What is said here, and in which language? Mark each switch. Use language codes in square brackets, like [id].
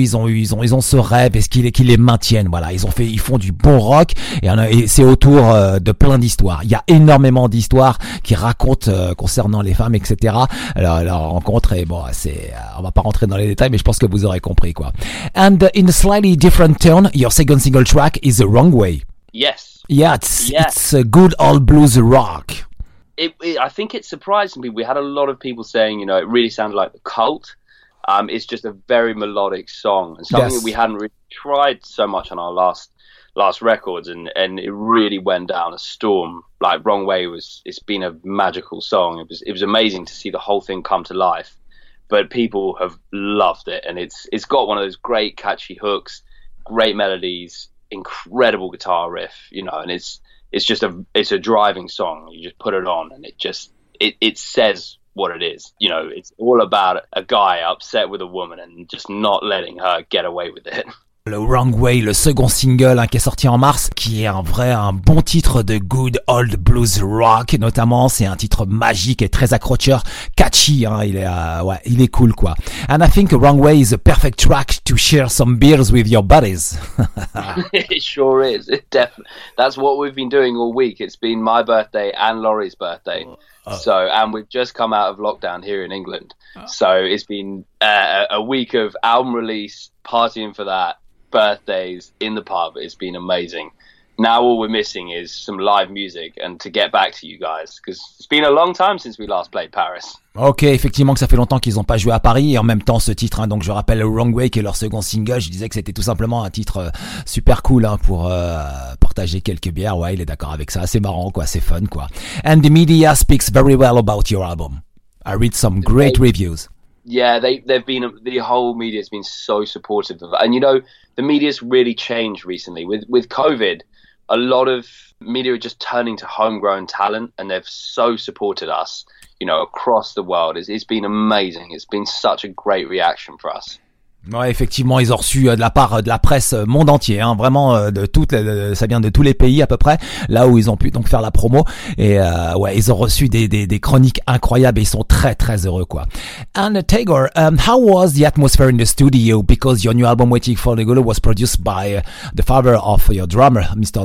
[fr] Ils ont ce rêve et ce qu'ils les maintiennent. Voilà, ils font du bon rock et c'est autour de plein d'histoires. Il y a énormément d'histoires qui racontent concernant les femmes, etc. Leur rencontre, et bon, on va pas rentrer dans les détails, mais je pense que vous aurez compris, quoi. [en] And in a slightly different tone, your second single track is The Wrong Way. Yes. Yeah, it's a good old blues rock. I think it surprised me. We had a lot of people saying, you know, it really sounded like The Cult. It's just a very melodic song. And something yes. that we hadn't really tried so much on our last records, and it really went down a storm. Like Wrong Way it's been a magical song. It was amazing to see the whole thing come to life, but people have loved it, and it's got one of those great catchy hooks, great melodies, incredible guitar riff, you know, and it's just a driving song. You just put it on and it says what it is, you know. It's all about a guy upset with a woman and just not letting her get away with it. [fr] Le Wrong Way, le second single qui est sorti en mars, qui est en vrai un bon titre de [en] good old blues rock, [fr] notamment. C'est un titre magique et très accrocheur, catchy, hein, il est cool quoi. [en] And I think Wrong Way is a perfect track to share some beers with your buddies. It sure is, that's what we've been doing all week. It's been my birthday and Laurie's birthday. So, and we've just come out of lockdown here in England. So it's been a week of album release, partying for that, birthdays in the pub. It's been amazing. Now all we're missing is some live music and to get back to you guys, because it's been a long time since we last played Paris. [fr] Ok, effectivement que ça fait longtemps qu'ils n'ont pas joué à Paris, et en même temps ce titre, hein, donc je rappelle Wrong Way qui est leur second single, je disais que c'était tout simplement un titre super cool, hein, pour partager quelques bières. Ouais, il est d'accord avec ça, c'est marrant quoi, c'est fun quoi. [en] And the media speaks very well about your album. I read some great reviews. Yeah, they've been, the whole media has been so supportive of it. And you know, the media's really changed recently. With COVID, a lot of media are just turning to homegrown talent, and they've so supported us, you know, across the world. It's been amazing. It's been such a great reaction for us. [fr] Ouais, effectivement, ils ont reçu de la part de la presse monde entier, hein, vraiment ça vient de tous les pays à peu près, là où ils ont pu donc faire la promo, et ouais, ils ont reçu des chroniques incroyables et ils sont très très heureux quoi. [en] And Tagore, how was the atmosphere in the studio, because your new album Waiting for the Gulu was produced by the father of your drummer, Mr.